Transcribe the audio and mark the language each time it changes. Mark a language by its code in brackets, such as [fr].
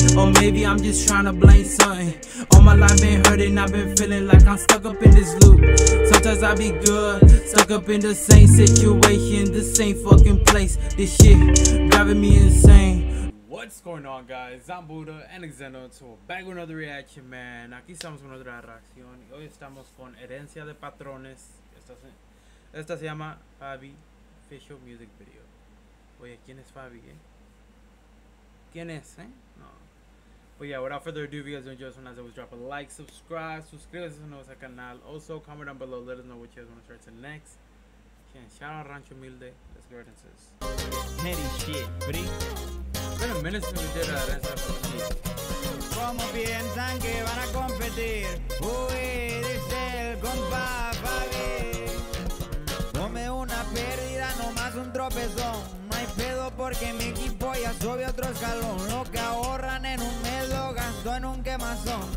[en] Or maybe I'm just trying to blame something. All my life been hurting, I've been feeling like I'm stuck up in this loop. Sometimes I be good, stuck up in the same situation, the same fucking place. This shit driving me insane. What's going on, guys? I'm Buda and Xeno, so back with another reaction, man. [es] Aquí estamos con otra reacción. Hoy estamos con Herencia de Patrones. Esta se llama Fabi Official Music Video. Oye, ¿quién es Fabi, ¿Quién es, No. [en] But yeah, without further ado, if you guys don't enjoy this one, as always, drop a like, subscribe, [es] suscríbete a nuestro canal. [en] Also, comment down below, let us know what you guys want to start to next. Shout out Rancho Humilde. Let's go ahead and say this. Petty shit, buddy. It's been a minute since we did that. That's not for me. [es] ¿Cómo piensan que van a competir? Uy, dice el compa Fabi. Come una pérdida, nomás un tropezón. Porque mi equipo ya sube otro escalón. Lo que ahorran en un mes lo gastó en un quemazón.